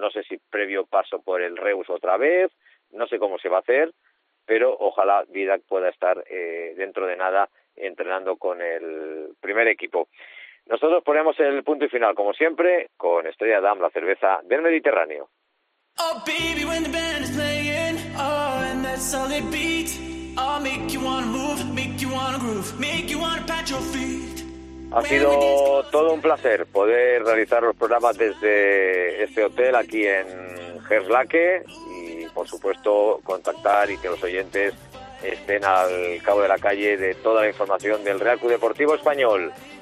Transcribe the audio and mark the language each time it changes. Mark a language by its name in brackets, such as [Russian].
[Spanish] No sé si previo paso por el Reus otra vez, no sé cómo se va a hacer, pero ojalá Didac pueda estar dentro de nada entrenando con el primer equipo. Nosotros ponemos el punto y final, como siempre, con Estrella Damm, la cerveza del Mediterráneo. [English] Oh, baby, when the band is playing, oh, and that solid beat, I'll make you wanna move, make you wanna groove, make you wanna pat your feet. [Spanish] Ha sido todo un placer poder realizar los programas desde este hotel aquí en Gerlache, y por supuesto contactar y que los oyentes estén al cabo de la calle de toda la información del Real Club Deportivo Español.